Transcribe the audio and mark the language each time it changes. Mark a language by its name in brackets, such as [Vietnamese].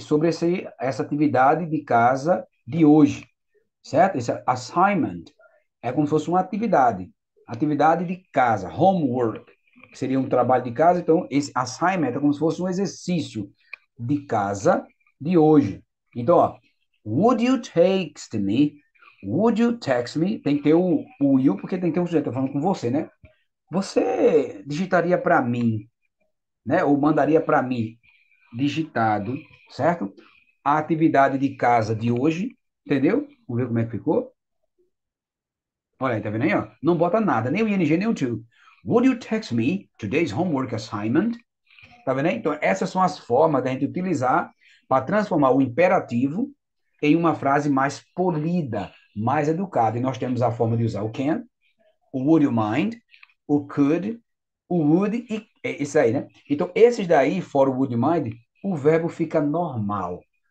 [Portuguese] Sobre essa atividade de casa de hoje. Certo? Esse assignment é como se fosse uma atividade. Atividade de casa, homework, que seria um trabalho de casa. Então, esse assignment é como se fosse um exercício de casa de hoje. Então, ó, [English] would you text me? Would you text me? [Portuguese] Tem que ter o you, porque tem que ter um sujeito. Estou falando com você, né? Você digitaria para mim, né? Ou mandaria para mim, digitado, certo? A atividade de casa de hoje, entendeu? Vamos ver como é que ficou? Olha aí, tá vendo aí, ó? Não bota nada, nem o ing, nem o to. [English] Would you text me today's homework assignment? [Portuguese] Tá vendo aí? Então, essas são as formas da gente utilizar para transformar o imperativo em uma frase mais polida, mais educada. E nós temos a forma de usar o can, o would you mind, o could, o would e isso aí, né? Então, esses daí, fora o [English] would you mind, [Portuguese] o verbo fica normal.